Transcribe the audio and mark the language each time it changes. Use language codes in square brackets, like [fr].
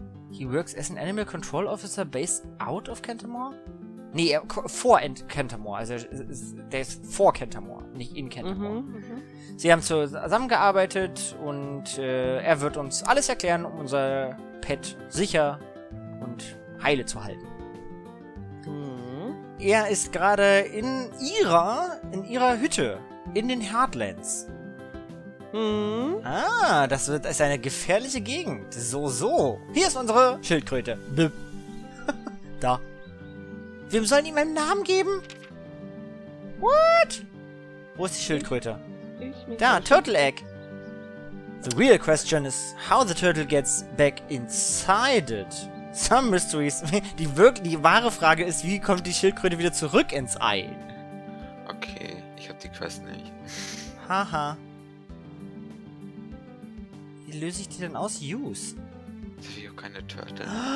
[en] He works as an animal control officer based out of Kentamore? [de] Nee, vor Kentamore. Also, der ist vor Kentamore, nicht in Kentamore. Mhm, Sie haben zusammengearbeitet und er wird uns alles erklären, um unser Pet sicher und heile zu halten. Mhm. Er ist gerade in ihrer Hütte, in den Heartlands. Das ist eine gefährliche Gegend. So. Hier ist unsere Schildkröte. Bip. Da. Wem sollen ihm einen Namen geben? [en] What? [de] Wo ist die Schildkröte? Turtle Egg. [en] The real question is how the turtle gets back inside it. Some mysteries. [de] Die wahre Frage ist, wie kommt die Schildkröte wieder zurück ins Ei? Okay, ich hab die Quest nicht. Haha. Wie löse ich die denn aus? [en] Use. [de] Das ist ja keine Turtle.